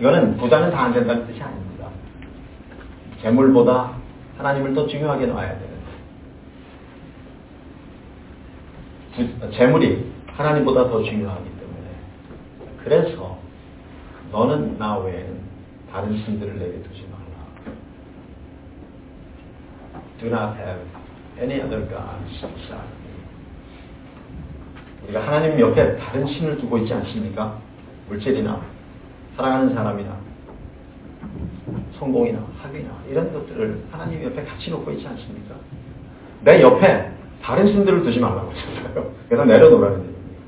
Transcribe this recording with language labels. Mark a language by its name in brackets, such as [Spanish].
[Korean] 이거는 부자는 다 안 된다는 뜻이 아닙니다. 재물보다 하나님을 더 중요하게 놔야 되는데 재물이 하나님보다 더 중요하기 때문에 그래서 너는 나 외에는 다른 신들을 내게 두지 마. [English] Do not have any other gods beside me. [Korean] 우리가 하나님 옆에 다른 신을 두고 있지 않습니까? 물질이나 사랑하는 사람이나 성공이나 학위나 이런 것들을 하나님 옆에 같이 놓고 있지 않습니까? 내 옆에 다른 신들을 두지 말라고 했어요. 그래서 내려놓으라는 얘기입니다.